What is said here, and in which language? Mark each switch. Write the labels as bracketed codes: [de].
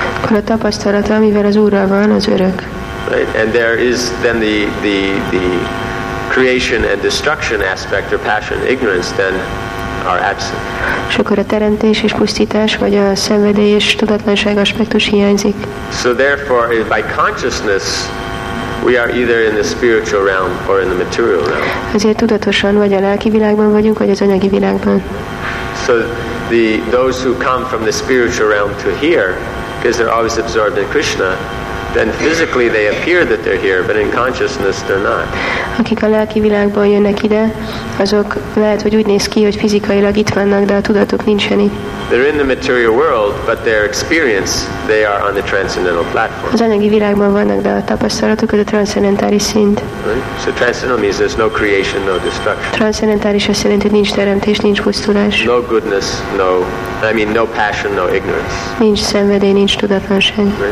[hu] Akkor a tapasztalata, amivel az Úrral van, az örök. [en] Right? And there is then the creation and destruction aspect of passion, ignorance, then are absent. [hu] És akkor a teremtés és pusztítás, vagy a szenvedély és tudatlanság aspektus hiányzik. [en] So therefore, by consciousness, we are either in the spiritual realm or in the material realm. [hu] Ezért tudatosan vagy a lelki világban vagyunk, vagy az anyagi világban. [en] So those who come from the spiritual realm to here, because they're always absorbed in Krishna, then physically they appear that they're here, but in consciousness they're not. [hu] Akik a lelki világból jönnek ide, azok lehet, hogy úgy néz ki, hogy fizikailag itt vannak, de a tudatuk nincsen itt. [en] They're in the material world, but their experience, they are on the transcendental platform. [hu] Az anyagi világban vannak, de a tapasztalatuk az a transzendentális szint. [en] So transcendental means there's no creation, no destruction. [hu] Transzendentális azt jelenti, hogy nincs teremtés, nincs pusztulás. [en] No goodness, no passion, no ignorance. [hu] Nincs szenvedély, nincs tudatlanság.